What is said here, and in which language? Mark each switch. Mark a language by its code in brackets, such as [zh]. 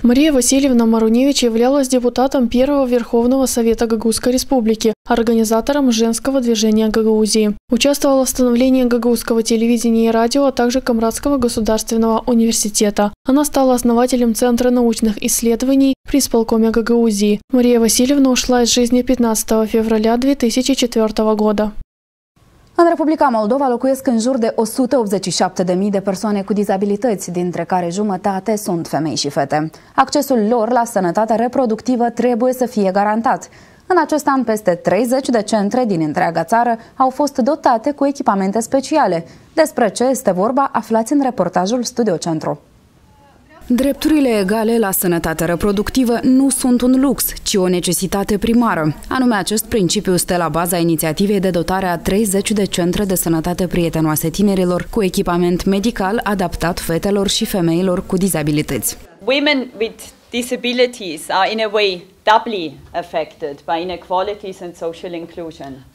[ru] Мария Васильевна Марунович являлась депутатом Первого Верховного Совета Гагаузской Республики, организатором женского движения Гагаузии. Участвовала в становлении гагаузского телевидения и радио, а также Камрадского государственного университета. Она стала основателем Центра научных исследований при исполкоме Гагаузии. Мария Васильевна ушла из жизни 15 февраля 2004 года. [ro] În Republica Moldova locuiesc în jur de 187.000 de persoane cu dizabilități, dintre care jumătate sunt femei și fete. Accesul lor la sănătatea reproductivă trebuie să fie garantat. În acest an, peste 30 de centre din întreaga țară au fost dotate cu echipamente speciale. Despre ce este vorba, aflați în reportajul Studio Centru. Drepturile egale la sănătatea reproductivă nu sunt un lux, ci o necesitate primară. Anume, acest principiu stă la baza inițiativei de dotare a 30 de centre de sănătate prietenoase tinerilor cu echipament medical adaptat fetelor și femeilor cu dizabilități. [en] Women with disabilities are in a way doubly affected by inequalities and social inclusion.